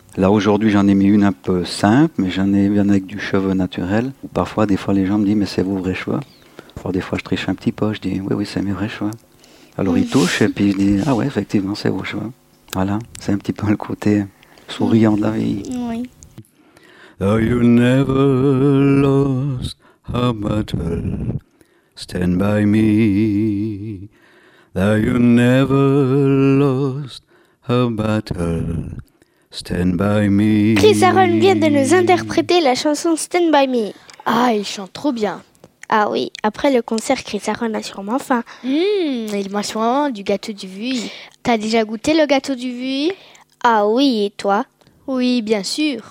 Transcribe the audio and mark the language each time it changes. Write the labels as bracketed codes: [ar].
[fr] Là, aujourd'hui, j'en ai mis une un peu simple, mais j'en ai eu une avec du cheveu naturel. Parfois, des fois, les gens me disent, mais c'est vos vrais cheveux. Alors, des fois, je triche un petit peu, je dis, oui, c'est mes vrais cheveux. Alors, ils touchent, et puis je dis, ah ouais, effectivement, c'est vos cheveux. Voilà, c'est un petit peu le côté souriant de la vie. Oui. [en] You never lost a battle, stand by me. That you never lost a battle, stand by me. [fr] Chris Aaron vient de nous interpréter la chanson Stand By Me. Ah, il chante trop bien. Ah oui, après le concert, Chris Aaron a sûrement faim. Il mange sûrement du gâteau du Vuy. T'as déjà goûté le gâteau du Vuy? Ah oui, et toi? Oui, bien sûr.